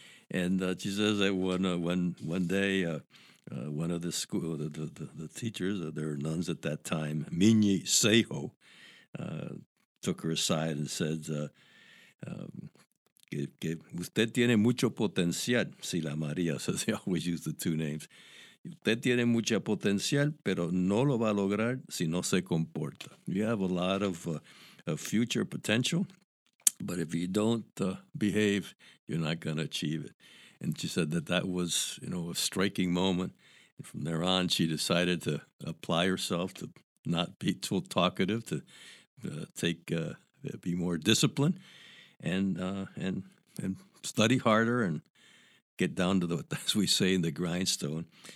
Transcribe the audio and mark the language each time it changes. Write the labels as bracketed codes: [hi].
[en] And she says that one day, one of the school, the teachers, there were nuns at that time, Minyi Seho, took her aside and said, [es] usted tiene mucho potencial, [en] Sila María. So they always use the two names. [es] Usted tiene mucho potencial, pero no lo va a lograr si no se comporta. [en] You have a lot of future potential, but if you don't behave, you're not going to achieve it. And she said that was, you know, a striking moment. And from there on, she decided to apply herself to not be too talkative, to be more disciplined, and study harder and get down to the grindstone.